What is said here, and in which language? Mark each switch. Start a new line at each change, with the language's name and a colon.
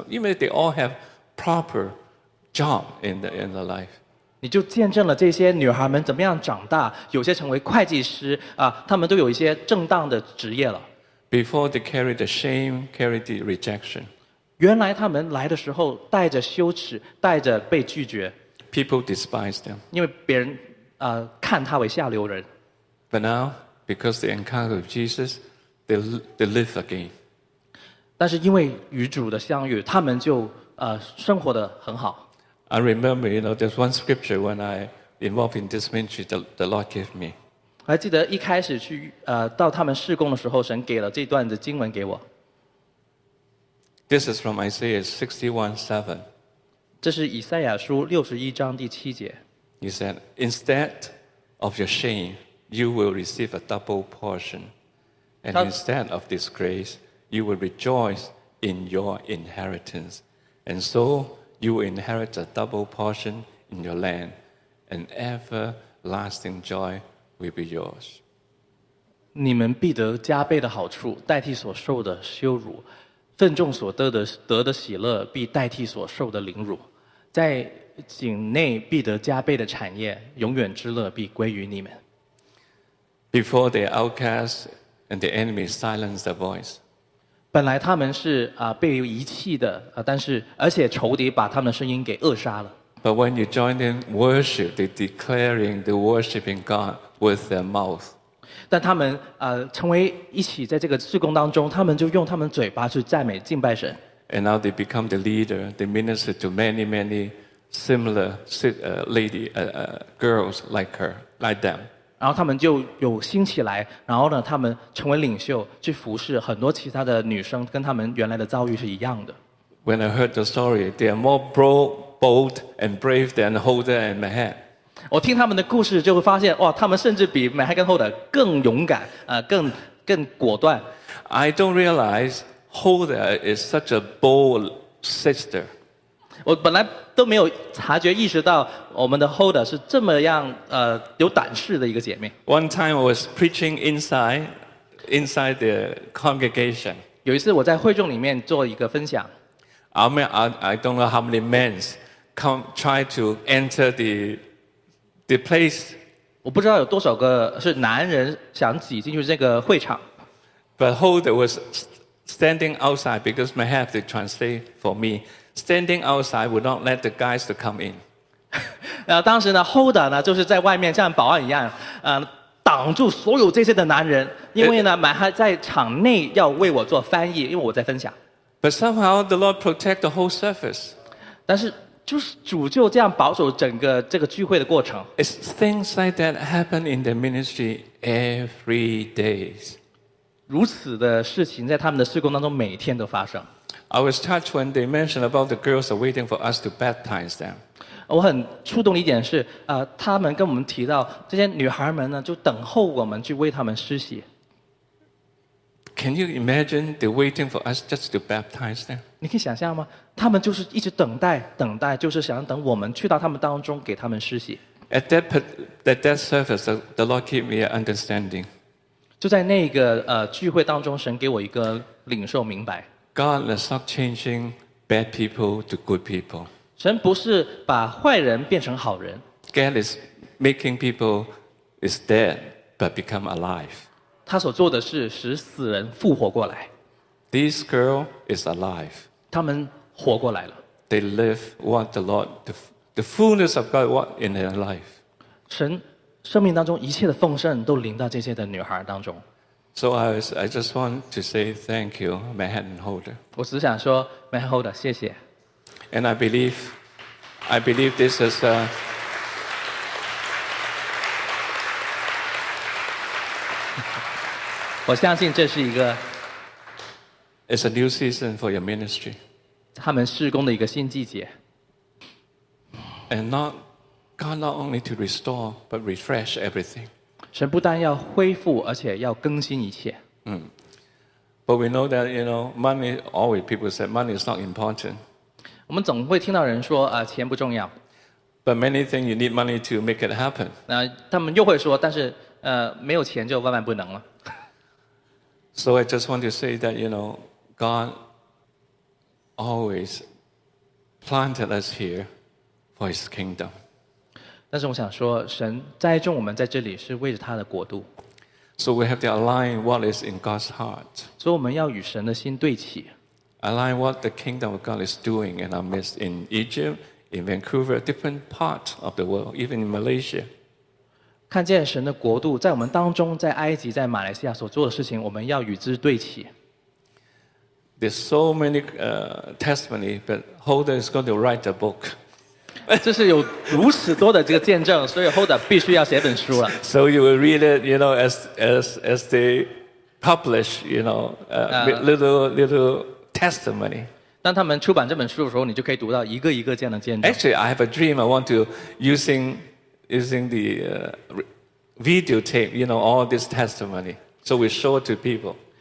English: Even they all have proper job in the life.
Chinese: 你就见证了这些女孩们怎么样长大，有些成为会计师啊，她们都有一些正当的职业了。
English: Before they carry the shame, carry the rejection.
Chinese: 原来她们来的时候带着羞耻，带着被拒绝。
English: People despise them.
Chinese: 因为别人看她为下流人。
English: But now. Because they encounter with Jesus, they live again.
Chinese: 但是因为与主的相遇，他们就生活得很好。
English: I remember, you know, there's one scripture when I involved in this ministry that the Lord gave me.
Chinese: 还记得一开始去到他们事工的时候，神给了这段的经文给我。
English: This is from Isaiah 61:7.
Chinese: 这是以赛亚书六十一章第七节。
English: He said, "Instead of your shame." You will receive a double portion. And instead of disgrace, you will rejoice in your inheritance. And so you will inherit a double portion in your land. And everlasting joy will be yours.
Chinese: 你们必得加倍的好处，代替所受的羞辱。分众所得的喜乐，必代替所受的凌辱。在井内必得加倍的产业，永远之乐必归于你们。
English: Before they are outcast and the enemy silence their voice.
Chinese: 本来他们是被遗弃的，但是而且仇敌把他们的声音给扼杀了。
English: But when you join them worship, they declaring the worshiping God with their mouth.
Chinese: 但他们成为一起在这个事工当中，他们就用他们嘴巴去赞美敬拜神。
English: And now they become the leader. They minister to many, many similar girls like her, like them.
Chinese: 然后他们就有兴起来，然后呢，他们成为领袖，去服侍很多其他的女生，跟他们原来的遭遇是一样的。
English: When I heard the story, they are more bold and brave than Holder and Mahat.
Chinese: 我听他们的故事，就会发现，哇，他们甚至比 Mahat 跟 Holder 更勇敢，更果断。
English: I don't realize Holder is such a bold sister.
Chinese: 我本来。都没有察觉意识到我们的 Holder 是这么样有胆识的一个姐妹。
English: One time I was preaching inside the congregation.
Chinese: 有一次我在会众里面做一个分享。
English: I don't know how many men come try to enter the place.
Chinese: 我不知道有多少个是男人想挤进去这个会场。
English: But Holder was standing outside because my have to translate for me. Standing outside would not let the guys to come in.
Chinese: 当时呢 ，Holder 呢就是在外面像保安一样，挡住所有这些的男人，因为呢，满汉在场内要为我做翻译，因为我在分享。
English: But somehow the Lord protect the whole service.
Chinese: 但是就是主就这样保守整个这个聚会的过程。
English: It's things like that happen in the ministry every days.
Chinese: 如此的事情在他们的事工当中每天都发生。
English: I was touched when they mentioned about the girls are waiting for us to baptize them.
Chinese: 我很触动的一点是，他们跟我们提到这些女孩们呢，就等候我们去为他们施洗。
English: Can you imagine they're waiting for us just to baptize them?
Chinese: 你可以想象吗？他们就是一直等待，就是想等我们去到他们当中给他们施洗。
English: At that service, the Lord gave me an understanding.
Chinese: 就在那个聚会当中，神给我一个领受明白。
English: God is not changing bad people to good people.
Chinese: 神不是把坏人变成好人。
English: God is making people is dead but become alive.
Chinese: 他所做的是使死人复活过来。
English: This girl is alive.
Chinese: 他们活过来了。
English: They live what the Lord, the fullness of God, what in their life.
Chinese: 神生命当中一切的丰盛都临到这些的女孩当中。
English: So I just want to say thank you, Manhattan Holder.
Chinese: 我只想说 Manhattan Holder, 谢谢。
English: And I believe this is
Chinese: 我相信这是一个
English: It's a new season for your ministry.
Chinese: 他们事工的一个新季节。
English: And not, God not only to restore, but refresh everything.
Chinese: 神不但要恢复，而且要更新一切。
English: But we know that, you know, money, always people say money is not important.
Chinese: 我们总会听到人说，钱不重要。
English: But many things you need money to make it happen.
Chinese: 那他们又会说，但是没有钱就万万不能了。
English: So I just want to say that, you know, God always planted us here for His kingdom.
Chinese: 但是我想说，神栽种我们在这里是为着他的国度。
English: So we have to align what is in God's heart.
Chinese: 所以我们要与神的心对齐。
English: Align what the kingdom of God is doing in our midst in Egypt, in Vancouver, different parts of the world, even in Malaysia.
Chinese: 看见神的国度在我们当中，在埃及，在马来西亚所做的事情，我们要与之对齐。
English: There's so many testimony, but Holder is going to write a book.
Chinese: 这是有如此多的这个见证，所以 Holder 必须要写本书了。
English: So you will read it, you know, as they publish, you know, little. Testimony.
Chinese: 当他们出版这本书的时候，你就可以读到一个一个这样的见证。
English: Actually, I have a dream. I want to using the videotape, you know, all this testimony, so we show it to people.